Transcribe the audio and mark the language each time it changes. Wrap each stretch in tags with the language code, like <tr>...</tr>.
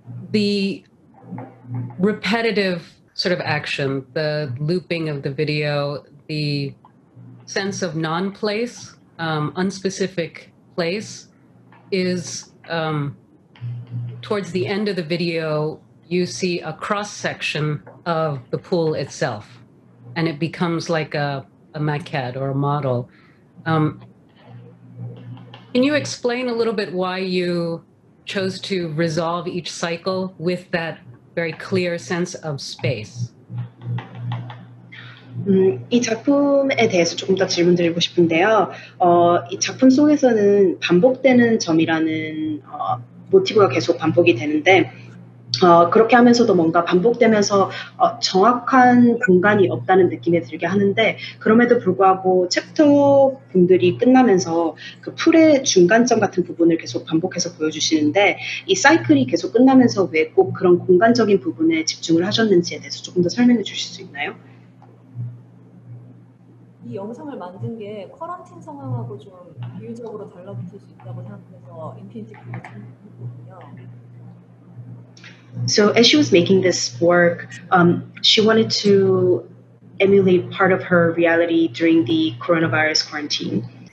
<en>The repetitive sort of action, the looping of the video, the sense of non-place, unspecific place, is towards the end of the video, you see a cross section of the pool itself, and it becomes like a maquette or a model. Can you explain a little bit why you chose to resolve each cycle with that very clear sense of space?</en> <ko>이 작품에 대해서 조금 더 질문 드리고 싶은데요. 이 작품 속에서는 반복되는 점이라는 모티브가 계속 반복이 되는데 그렇게 하면서도 뭔가 반복되면서 정확한 공간이 없다는 느낌이 들게 하는데 그럼에도 불구하고 챕터 분들이 끝나면서 그 풀의 중간점 같은 부분을 계속 반복해서 보여주시는데 이 사이클이 계속 끝나면서 왜 꼭 그런 공간적인 부분에 집중을 하셨는지에 대해서 조금 더 설명해 주실 수 있나요? 이 영상을 만든 게 쿼런틴 상황하고 좀 비유적으로 달라붙을 수 있다고 생각해서 인피니티 풀을 참고했거든요.</ko> <en>So as she was making this work, she wanted to emulate part of her reality during the coronavirus quarantine.</en>